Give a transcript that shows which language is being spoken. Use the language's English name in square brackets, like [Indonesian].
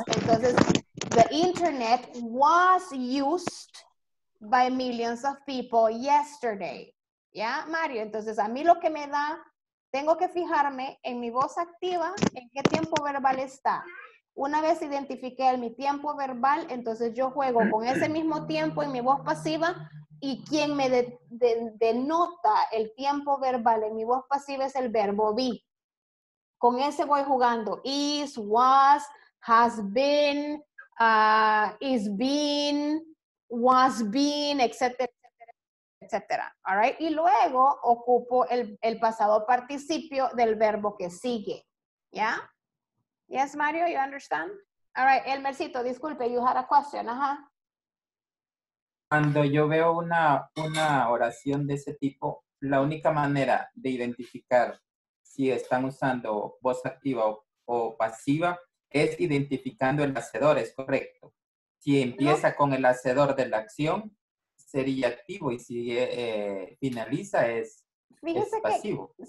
[English] Entonces, the internet was used by millions of people yesterday. [Spanish] ¿Ya, Mario? Entonces, a mí lo que me da, tengo que fijarme en mi voz activa, en qué tiempo verbal está. Una vez identifiqué mi tiempo verbal, entonces yo juego con ese mismo tiempo en mi voz pasiva. Y quien me denota el tiempo verbal en mi voz pasiva es el verbo be. Con ese voy jugando. [English] Is, was, has been, is been, was been, [Spanish] etcétera, etcétera, etcétera. [English] All right? [Spanish] Y luego ocupo el pasado participio del verbo que sigue. ¿Ya? [English] Yes, Mario, you understand? All right, Elmercito, [Spanish] disculpe, [English] you had a question, ajá. [Spanish] Cuando yo veo una oración de ese tipo, la única manera de identificar si están usando voz activa o pasiva es identificando el hacedor, ¿es correcto? Si empieza con el hacedor de la acción, sería activo y si finaliza es pasivo.